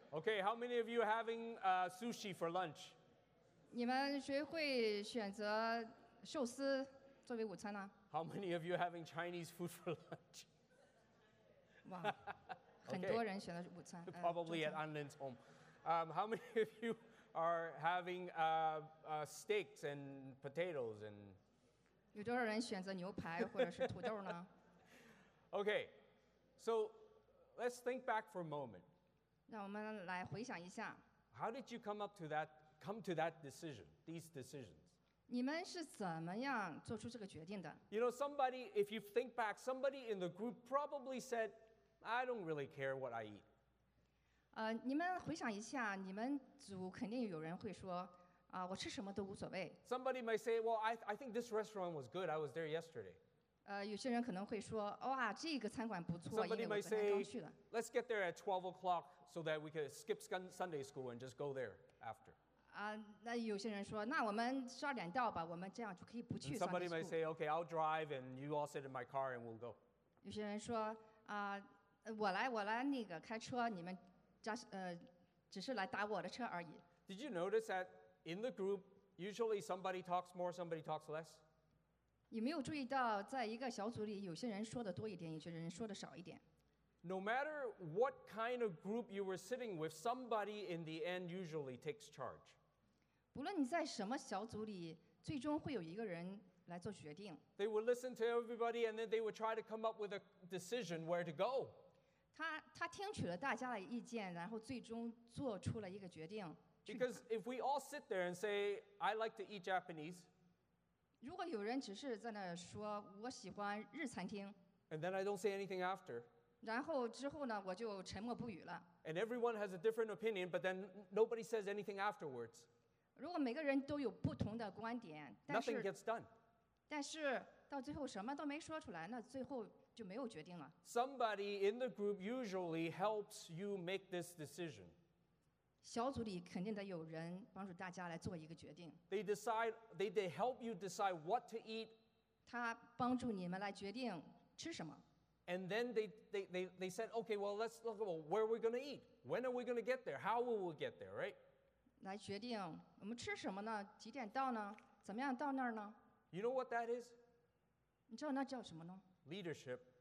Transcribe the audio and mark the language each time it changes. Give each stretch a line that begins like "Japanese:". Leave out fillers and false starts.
English: Okay, how many of you having sushi for lunch?
Chinese: 你们谁会选择寿司作为午餐呢？
English: How many of you are having Chinese food for lunch?
Chinese: Wow, 很多人选了午餐。
English: Probably at Anlin's home. How many of you are having steaks and potatoes and?
Chinese: 有多少人选择牛排或者是土豆呢？
English: Okay, so let's think back for a moment.
Chinese: 让我们来回想一下。
English: How did you come to that decision? These decisions.
Chinese: 你们是怎么样做出这个决定的？
English: You know, somebody, if you think back, somebody in the group probably said, "I don't really care what I eat."
Chinese: 你们回想一下，你们组肯定有人会说。我吃什么都无所谓。
English: Somebody might say, well, I think this restaurant was good. I was there yesterday.
Chinese: 有些人可能会说，哇，这个餐馆不错。
English: Somebody might say, let's get there at 12 o'clock so that we can skip Sunday school and just go there after.
Chinese: 那有些人说，那我们十二点到吧，我们这样就可以不去 Sunday
English: school. Somebody might say, okay, I'll drive and you all sit in my car and we'll go.
Chinese: 有些人说，我来那个开车，你们只是来打我的车而已。
English: Did you notice that? In the group, usually somebody talks more, somebody talks less.
Chinese: 有没有注意到，在一个小组里，有些人说的多一点，有些人说的少一点。
English: No matter what kind of group you were sitting with, somebody in the end usually takes charge.
Chinese: 不论你在什么小组里，最终会有一个人来做决定。
English: They would listen to everybody, and then they would try to come up with a decision where to go.
Chinese: 他听取了大家的意见，然后最终做出了一个决定。
English: Because if we all sit there and say, I like to eat Japanese,
Chinese: 如果有人只是在那说我喜欢日餐厅，
English: and then I don't say anything after,
Chinese: 然后之后呢我就沉默不语了，
English: and everyone has a different opinion, but then nobody says anything afterwards,
Chinese: 如果每个人都有不同的观点，
English: nothing gets done.
Chinese: 但是到最后什么都没说出来，那最后就没有决定了。
English: Somebody in the group usually helps you make this decision.
Chinese: 小组里肯定得有人帮助大家来做一个决定。
English: They decide, they help you decide what to eat.
Chinese: 他帮助你们来决定吃什么。
English: And then they said, okay, well, let's look at where we're going to eat. When are we going to get there? How will we get there, right?
Chinese: 来决定我们吃什么呢？几点到呢？怎么样到那儿呢？
English: You know what that is?
Chinese: 你知道那叫什么呢？
English: Leadership.